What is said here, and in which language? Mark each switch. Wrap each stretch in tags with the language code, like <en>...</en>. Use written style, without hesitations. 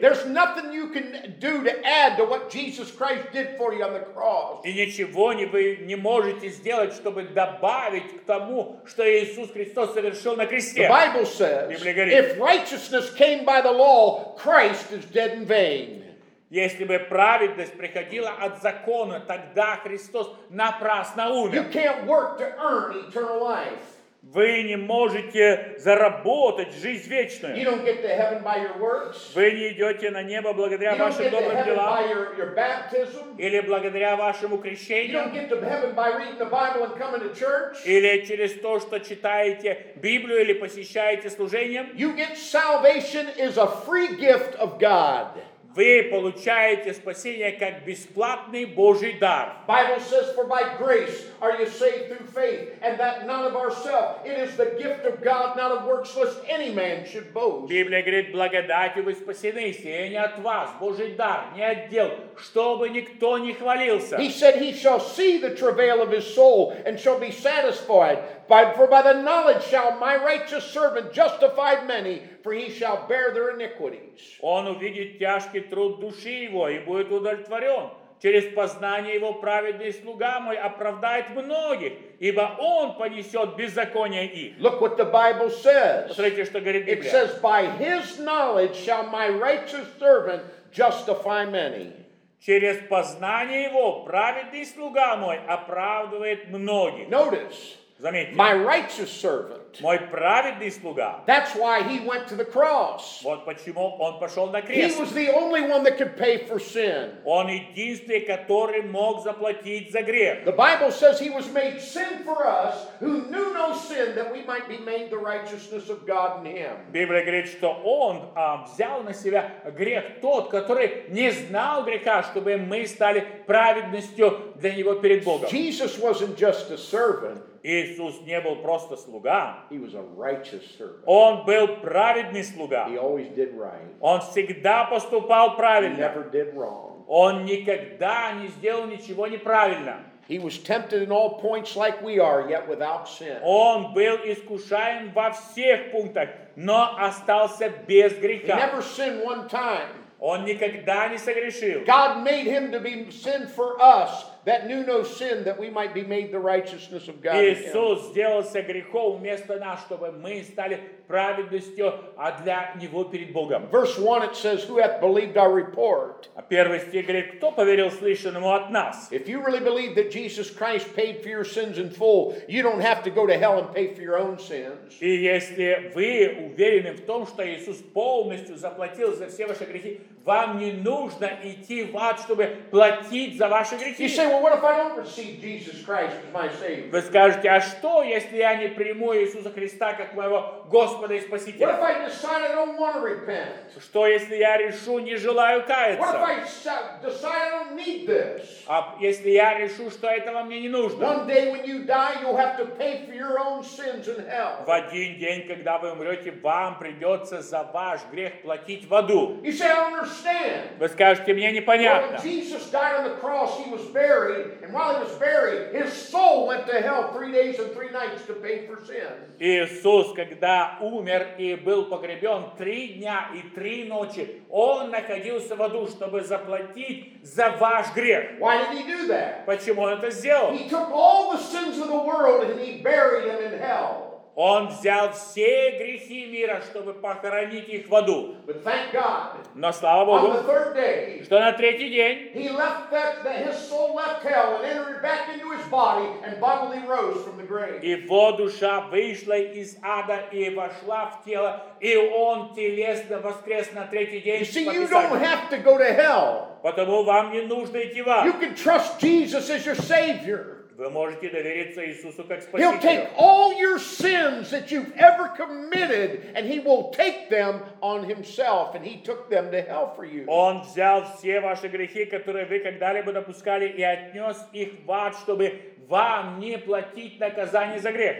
<en>There's nothing you can do to add to what Jesus Christ did for you on the cross.</en> <ru>И ничего вы не можете сделать, чтобы добавить к тому, что Иисус Христос совершил на кресте.</ru> <en>The Bible says,</en> <ru>Библия говорит,</ru> <en>if righteousness came by the law, Christ is dead in vain.</en> <ru>Если бы праведность приходила от закона, тогда Христос напрасно умер.</ru> <en>You can't work to earn eternal life.</en> <ru>Вы не можете заработать жизнь вечную.</ru> <en>You don't get to heaven by your works.</en> <ru>Вы не идете на небо благодаря вашим добрым делам.</ru> <en>You don't get to heaven by your baptism.</en> <ru>Или благодаря вашему крещению.</ru> <en>You don't get to heaven by reading the Bible and coming to church.</en> <ru>Или через то, что читаете Библию или посещаете служение.</ru> <en>You get salvation is a free gift of God.</en> <ru>Вы получаете спасение как бесплатный Божий дар.</ru> <en>Bible says, for by grace are you saved through faith, and that not of ourselves. It is the gift of God, not of works, lest any man should boast.</en> <ru>Библия говорит, благодатью вы спасены, сие не от вас, Божий дар, не от дел, чтобы никто не хвалился.</ru> <en>He said, he shall see the travail of his soul, and shall be satisfied. For by the knowledge shall my righteous servant justify many, for he shall bear their iniquities.</en> <ru>Он увидит тяжкий труд души его и будет удовлетворен. Через познание его праведный слуга мой оправдает многих, ибо он понесет беззаконие их.</ru> <en>Look what the Bible says.</en> <ru>Посмотрите, что говорит Библия.</ru> <en>It says, by his knowledge shall my righteous servant justify many.</en> <ru>Через познание его праведный слуга мой оправдывает многих.</ru> <en>Notice.</en> <ru>Заметьте.</ru> <en>My righteous servant.</en> <ru>Мой праведный слуга.</ru> <en>That's why he went to the cross.</en> <ru>Вот почему он пошел на крест.</ru> <en>He was the only one that could pay for sin.</en> <ru>Он единственный, который мог заплатить за грех.</ru> <en>The Bible says he was made sin for us who knew no sin that we might be made the righteousness of God in him.</en> <ru>Библия говорит, что он взял на себя грех тот, который не знал греха, чтобы мы стали праведностью для него перед Богом.</ru> <en>Jesus wasn't just a servant.</en> <ru>Иисус не был просто слуга.</ru> <en>He was a righteous servant.</en> <ru>Он был праведный слуга.</ru> <en>He always did right.</en> <ru>Он всегда поступал правильно.</ru> <en>He never did wrong.</en> <ru>Он никогда не сделал ничего неправильно.</ru> <en>He was tempted in all points like we are, yet without sin.</en> <ru>Он был искушаем во всех пунктах, но остался без греха.</ru> <en>He never sinned one time.</en> <ru>Он никогда не согрешил.</ru> <en>God made him to be sin for us that knew no sin that we might be made the righteousness of God in him.</en> <ru>Иисус сделался грехом вместо нас, чтобы мы стали праведностью, а для него перед Богом.</ru> <en>Verse 1 it says, who hath believed our report?</en> <ru>Первый стих говорит, кто поверил слышанному от нас?</ru> <en>If you really believe that Jesus Christ paid for your sins in full, you don't have to go to hell and pay for your own sins.</en> <ru>И если вы уверены в том, что Иисус полностью заплатил за все ваши грехи, вам не нужно идти в ад, чтобы платить за ваши грехи.</ru> <en>Say, well, what if I don't receive Jesus Christ as my Savior?</en> <ru>Вы скажете, а что, если я не приму Иисуса Христа как моего Господа и Спасителя?</ru> <en>What if I decide I don't want to repent?</en> <ru>Что, если я решу, не желаю каяться?</ru> <en>What if I decide I don't need this?</en> <ru>А если я решу, что этого мне не нужно?</ru> <en>One day when you die, you'll have to pay for your own sins in hell.</en> <ru>В один день, когда вы умрете, вам придется за ваш грех платить в аду.</ru> <en>You say, I don't understand.</en> <ru>Вы скажете, мне непонятно.</ru> <en>Well, when Jesus died on the cross, he was buried, and while he was buried, his soul went to hell 3 days and 3 nights to pay for sin.</en> <ru>Иисус, когда умер и был погребен 3 дня и 3 ночи, он находился в аду, чтобы заплатить за ваш грех.</ru> <en>Why did he do that?</en> <ru>Почему он это сделал?</ru> <en>He took all the sins of the world and he buried them in hell.</en> <ru>Он взял все грехи мира, чтобы похоронить их в аду.</ru> <en>But thank God,</en> <ru>но слава Богу,</ru> <en>on the third day,</en> <ru>что на третий день</ru> <en>he left that his soul left hell and entered back into his body and bodily rose from the grave.</en> <ru>Его душа вышла из ада и вошла в тело, и он телесно воскрес на третий день.</ru> <en>You see, you don't have to go to hell.</en> <ru>Потому вам не нужно идти в ад.</ru> <en>You can trust Jesus as your Savior.</en> <ru>Вы можете довериться Иисусу как Спасителю.</ru> <en>He'll take all your sins that you've ever committed and he will take them on himself and he took them to hell for you.</en> <ru>Он взял все ваши грехи, которые вы когда-либо допускали, и отнес их в ад, чтобы вам не платить наказание за грех.</ru>